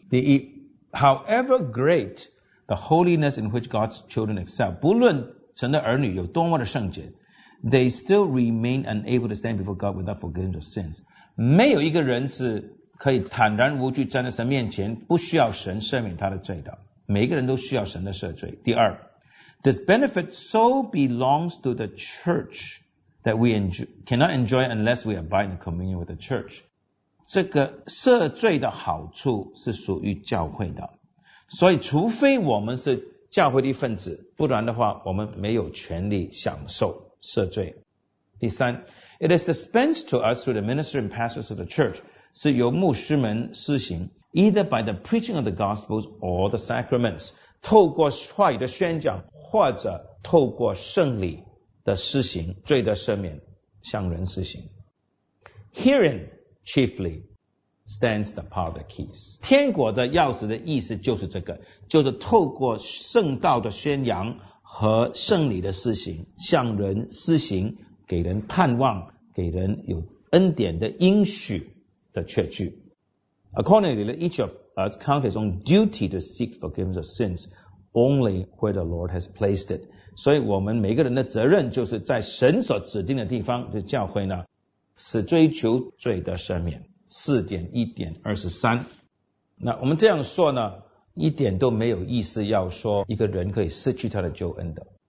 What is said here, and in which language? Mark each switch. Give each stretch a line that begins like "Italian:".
English: 第一， However great the holiness in which God's children excel，
Chinese: 不论神的儿女有多么的圣洁，
English: They still remain unable to stand before God without forgiveness of sins。
Chinese: 没有一个人是可以坦然无惧站在神面前不需要神赦免他的罪的，每个人都需要神的赦罪。
English: 第二， This benefit so belongs to the church that we cannot enjoy unless we abide in communion with the church。
Chinese: 这个赦罪的好处是属于教会的，所以除非我们是教会的一份子，不然的话我们没有权利享受赦罪。
English: 第三， It is dispensed to us through the ministry and pastors of the church，
Chinese: 是由牧师们施行，
English: either by the preaching of the gospels or the sacraments，
Chinese: 透过话语的宣讲或者透过圣礼的施行，罪的赦免向人施行。
English: Herein chiefly stands the power of the keys。
Chinese: 天国的钥匙的意思就是这个，就是透过圣道的宣扬和圣礼的施行向人施行，给人盼望，给人有恩典的应许的确据。
English: Accordingly, each of us count his own duty to seek forgiveness of sins only where the Lord has placed it.
Chinese: 所以我们每个人的责任就是在神所指定的地方，就教会呢，是追求罪的赦免。 4.1.23 那我们这样说呢，一点都没有意思要说一个人可以失去他的救恩的。